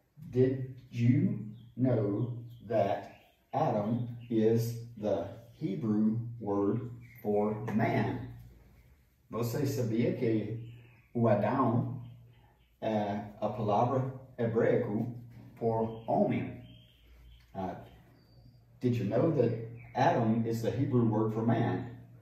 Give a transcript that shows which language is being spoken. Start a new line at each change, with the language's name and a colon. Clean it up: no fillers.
English: Did you know that Adam is the Hebrew word for man?
Portuguese: Você sabia que o Adão é a palavra hebraico por homem?
English: Did you know that Adam is the Hebrew word for man?